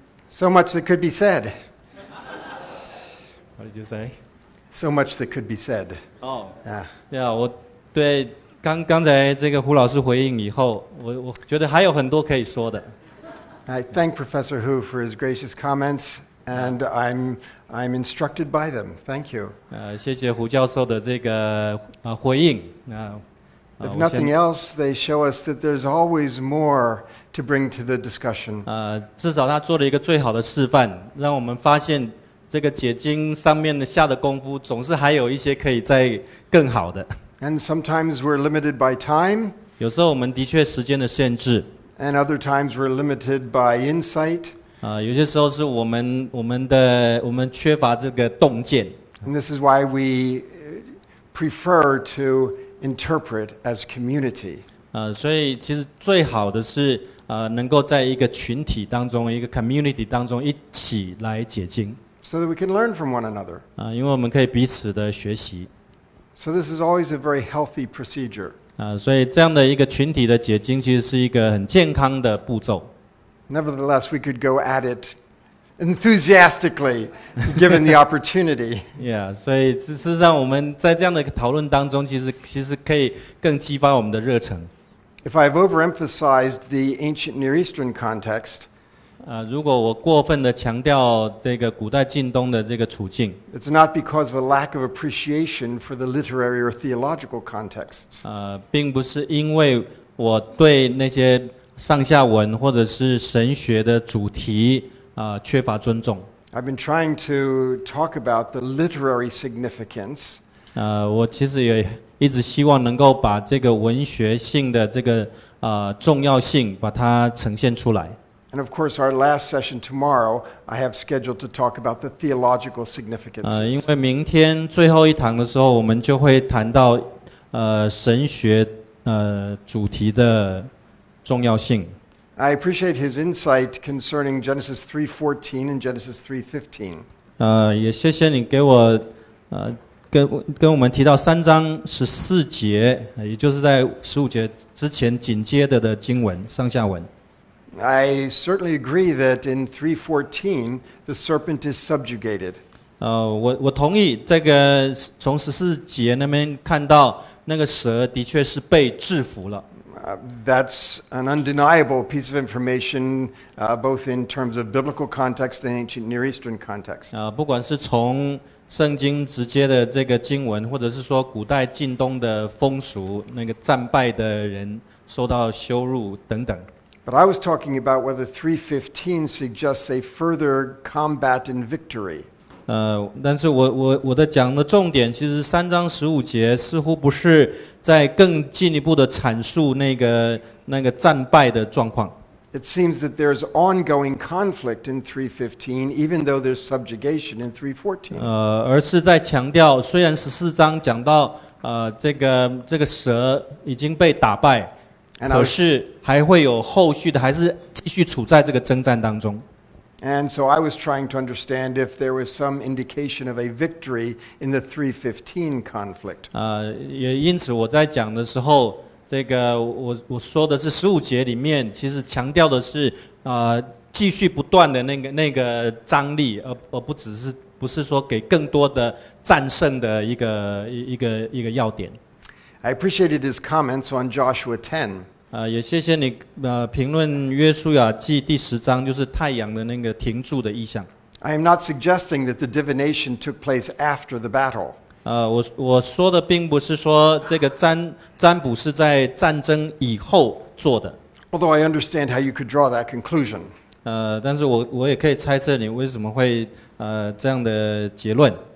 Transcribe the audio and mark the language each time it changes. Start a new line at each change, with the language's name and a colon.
English: So much that could be said. What did you say? So much that could be said.
Chinese: Yeah, 我对刚才这个胡老师回应以后，我觉得还有很多可以说的。
English: I thank Professor Hu for his gracious comments, and I'm instructed by them. Thank you.
Chinese: 谢谢胡教授的这个回应。
English: If nothing else, they show us that there's always more to bring to the discussion.
Chinese: 至少他做了一个最好的示范，让我们发现这个解经上面下的功夫，总是还有一些可以再更好的。
English: And sometimes we're limited by time.
Chinese: 有时候我们的确时间的限制。
English: And other times we're limited by insight.
Chinese: 有些时候是我们缺乏这个洞见。
English: And this is why we prefer to interpret as community.
Chinese: 所以其实最好的是能够在一个群体当中，一个 community 当中一起来解经。
English: So that we can learn from one another.
Chinese: 因为我们可以彼此的学习。
English: So this is always a very healthy procedure.
Chinese: 所以这样的一个群体的解经其实是一个很健康的步骤。
English: Nevertheless, we could go at it enthusiastically, given the opportunity.
Chinese: Yeah, 所以事实上我们在这样的讨论当中，其实可以更激发我们的热忱。
English: If I've overemphasized the ancient Near Eastern context,
Chinese: 如果我过分的强调这个古代近东的这个处境，
English: It's not because of a lack of appreciation for the literary or theological contexts.
Chinese: 并不是因为我对那些上下文或者是神学的主题缺乏尊重。
English: I've been trying to talk about the literary significance.
Chinese: 我其实也一直希望能够把这个文学性的这个重要性把它呈现出来。
English: And of course, our last session tomorrow, I have scheduled to talk about the theological significance.
Chinese: 因为明天最后一堂的时候，我们就会谈到神学主题的重要性。
English: I appreciate his insight concerning Genesis 3:14 and Genesis 3:15.
Chinese: 也谢谢你给我跟我们提到三章十四节，也就是在十五节之前紧接着的经文上下文。
English: I certainly agree that in 3:14 the serpent is subjugated.
Chinese: 我同意这个从十四节那边看到那个蛇的确是被制服了。
English: That's an undeniable piece of information, both in terms of biblical context and ancient Near Eastern context.
Chinese: 不管是从圣经直接的这个经文，或者是说古代近东的风俗，那个战败的人受到羞辱等等。
English: But I was talking about whether 3:15 suggests a further combat and victory.
Chinese: 但是我的讲的重点，其实三章十五节似乎不是在更进一步的阐述那个战败的状况。
English: It seems that there's ongoing conflict in 3:15, even though there's subjugation in 3:14.
Chinese: 而是在强调，虽然十四章讲到这个蛇已经被打败。 And 可是还会有后续的，还是继续处在这个征战当中。
English: And so I was trying to understand if there was some indication of a victory in the 3:15 conflict.
Chinese: 也因此我在讲的时候，这个我说的是十五节里面，其实强调的是继续不断的那个张力，而不是说给更多的战胜的一个要点。
English: I appreciated his comments on Joshua 10.
Chinese: 也谢谢你评论约书亚记第十章，就是太阳的那个停住的意象。
English: I am not suggesting that the divination took place after the battle.
Chinese: 我说的并不是说这个占卜是在战争以后做的。
English: Although I understand how you could draw that conclusion.
Chinese: 但是我也可以猜测你为什么会这样的结论。